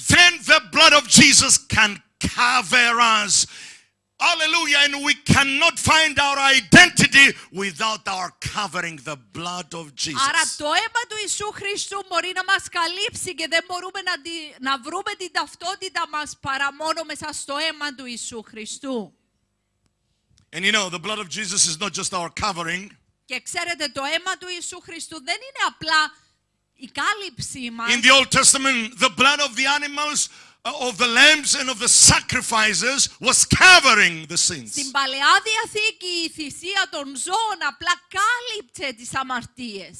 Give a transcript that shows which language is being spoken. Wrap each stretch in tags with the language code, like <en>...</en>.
<en>then the blood of Jesus can cover us. Hallelujah, and we cannot find our identity without our covering the blood of Jesus.</en> <el>Άρα το αίμα του Ιησού Χριστού μπορεί να μας καλύψει και δεν μπορούμε να βρούμε την ταυτότητα μας παρά μόνο μέσα στο αίμα του Ιησού Χριστού.</el> <en>And you know, the blood of Jesus is not just our covering.</en> <el>Και ξέρετε, το αίμα του Ιησού Χριστού δεν είναι απλά η κάλυψή μας.</el> <en>In the Old Testament, the blood of the animals, of the lambs and of the sacrifices was covering the sins.</en> <el>Στην Παλαιά Διαθήκη, η θυσία των ζώων απλά κάλυψε τις αμαρτίες.</el>